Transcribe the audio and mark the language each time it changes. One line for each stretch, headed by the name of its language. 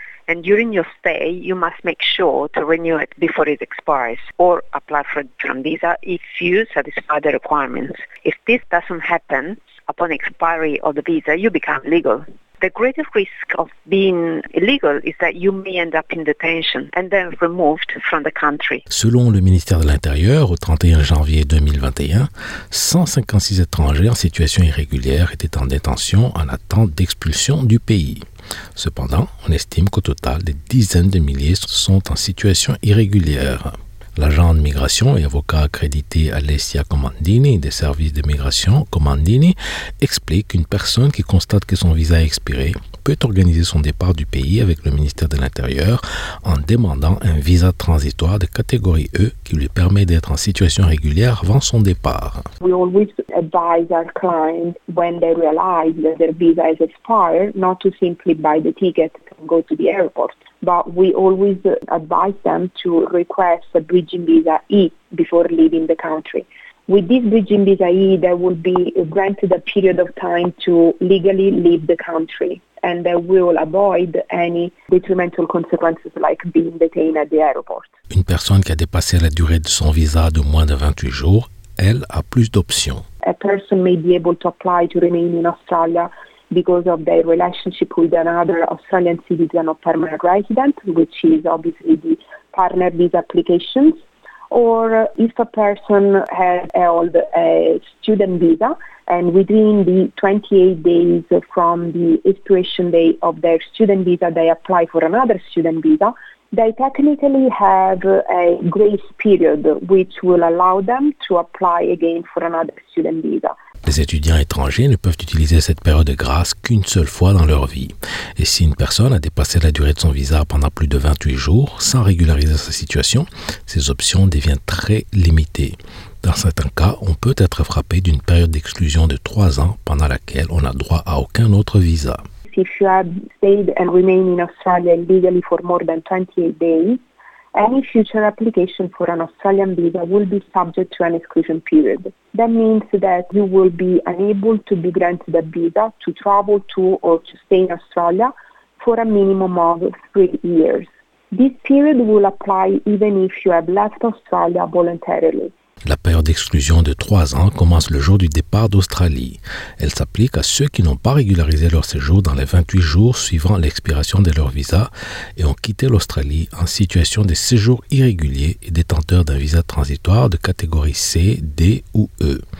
English: And during your stay, you must make sure to renew it before it expires or apply for a different visa if you satisfy the requirements. If this doesn't happen, upon expiry of the visa, you become legal. The greatest risk of being illegal is that you may end up in detention and then removed from the country.
French: Selon le ministère de l'Intérieur, au 31 janvier 2021, 156 étrangers en situation irrégulière étaient en détention en attente d'expulsion du pays. Cependant, on estime qu'au total, des dizaines de milliers sont en situation irrégulière. L'agent de migration et avocat accrédité Alessia Comandini des services de migration Comandini explique qu'une personne qui constate que son visa a expiré peut organiser son départ du pays avec le ministère de l'Intérieur en demandant un visa transitoire de catégorie E qui lui permet d'être en situation régulière avant son départ.
English: We always advise our clients when they realize that their visa is expired not to simply buy the ticket and go to the airport. But we always advise them to request a bridging visa E before leaving the country. With this bridging visa E, they will be granted a period of time to legally leave the country, and they will avoid any detrimental consequences like being detained at the airport.
French: Une personne qui a dépassé la durée de son visa de moins de 28 jours, elle a plus d'options.
English: A person may be able to apply to remain in Australia because of their relationship with another Australian citizen or permanent resident, which is obviously the partner visa applications. Or if a person has held a student visa and within the 28 days from the expiration date of their student visa, they apply for another student visa, they technically have a grace period, which will allow them to apply again for another student visa.
French: Les étudiants étrangers ne peuvent utiliser cette période de grâce qu'une seule fois dans leur vie. Et si une personne a dépassé la durée de son visa pendant plus de 28 jours sans régulariser sa situation, ses options deviennent très limitées. Dans certains cas, on peut être frappé d'une période d'exclusion de 3 ans pendant laquelle on n'a droit à aucun autre visa. Si vous avez
English: stayed and remained in Australia legally for more than 28 days, any future application for an Australian visa will be subject to an exclusion period. That means that you will be unable to be granted a visa to travel to or to stay in Australia for a minimum of 3 years. This period will apply even if you have left Australia voluntarily.
French: La période d'exclusion de 3 ans commence le jour du départ d'Australie. Elle s'applique à ceux qui n'ont pas régularisé leur séjour dans les 28 jours suivant l'expiration de leur visa et ont quitté l'Australie en situation de séjour irrégulier et détenteurs d'un visa transitoire de catégorie C, D ou E.